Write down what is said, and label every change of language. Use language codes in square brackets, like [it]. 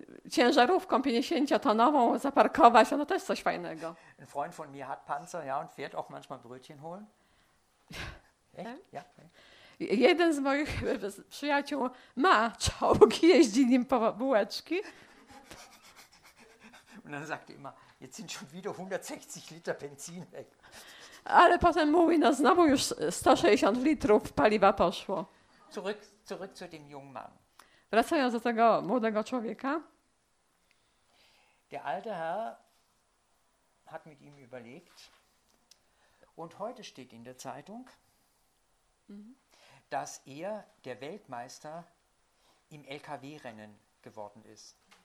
[pl] ciężarówką 50-tonową zaparkować, no to jest coś fajnego. [de] Ein Freund von mir hat Panzer, ja, und fährt auch manchmal Brötchen holen. Echt? Ja. [pl] Jeden z moich przyjaciół ma czołg, jeździ nim po bułeczki. [de] Und dann sagt er immer, jetzt sind schon wieder 160 Liter Benzin weg. [pl] Ale potem mówi, no znowu już 160 litrów paliwa poszło. [de] Zurück zu dem jungen Mann. [pl] Wracając do tego młodego człowieka. [de] Der alte Herr hat mit ihm überlegt und heute steht in der Zeitung, dass er der Weltmeister im LKW-Rennen geworden ist.